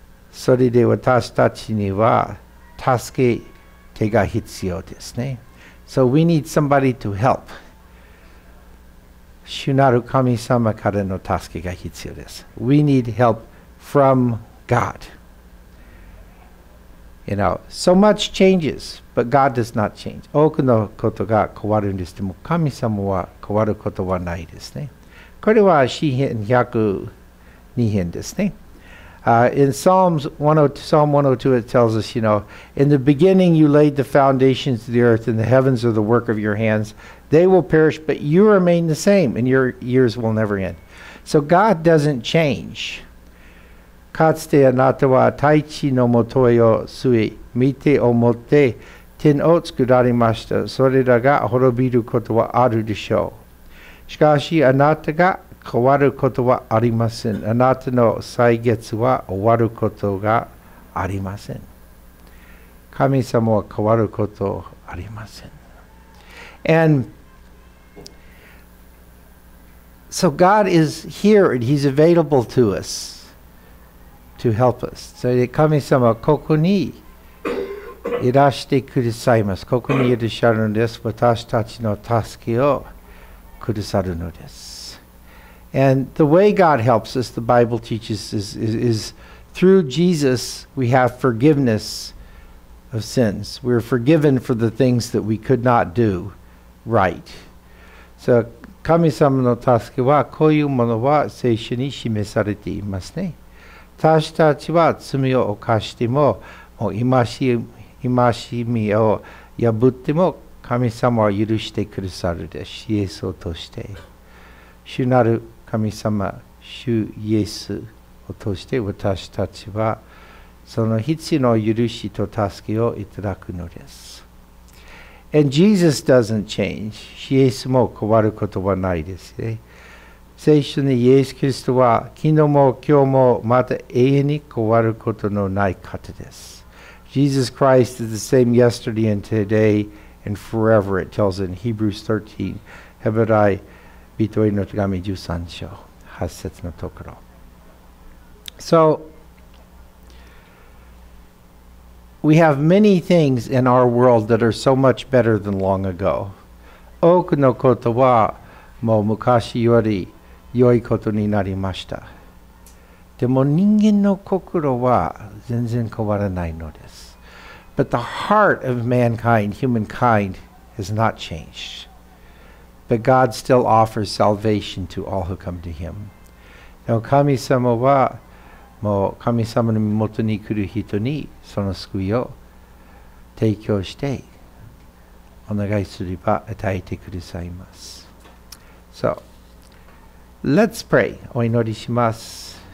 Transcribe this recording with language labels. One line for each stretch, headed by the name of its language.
Japanese: それで私たちには助け手が必要ですね。
English: So we need somebody to help.
Japanese: 主なる神様からの助けが必要です。
English: We need help from God. You know, so much changes, but God does not change.
Japanese: 多くのことが変わるんですけども、神様は変わることはないですね。これは詩編102編ですね。
English: In Psalm 102, it tells us, you know, in the beginning you laid the foundations of the earth, and the heavens are the work of your hands. They will perish, but you remain the same, and your years will never end. So God doesn't change.
Japanese: かつてあなたは大地のもとへを据え、見ておもって天を作られました。それらが滅びることはあるでしょう。しかしあなたが変わることはありません。あなたの歳月は終わることがありません。神様は変わることありません。
English: And so God is here and He's available to us to help us.
Japanese: そして神様はここにいらしてくださいます。ここにいらっしゃるのです。私たちの助けをくださるのです。
English: And the way God helps us, the Bible teaches, is through Jesus we have forgiveness of sins. We're forgiven for the things that we could not do right.
Japanese: So, 神様の助けはこういうものは聖書に示されていますね。私たちは罪を犯しても、もう戒めを破っても、神様は許してくださるです。イエスを通して。主なる神様、主イエスを通して私たちはその必要の許しと助けをいただくのです。
English: And Jesus doesn't change.
Japanese: イエスも変わることはないですね。聖書にイエス・キリストは昨日も今日もまた永遠に変わることのない方です。
English: Jesus Christ is the same yesterday and today and forever, it tells in Hebrews 13, Hebrews 13.
Japanese: ビトエの手紙13章8節のところ。
English: So, we have many things in our world that are so much better than long ago.
Japanese: 多くのことはもう昔より良いことになりました。でも人間の心は全然変わらないのです。
English: But the heart of mankind, humankind, has not changed. But God still offers salvation to all who come to him.
Japanese: でも神様はもう神様の元に来る人にその救いを提供してお願いすれば与えてくださいます。
English: So, let's pray.
Japanese: お祈りします。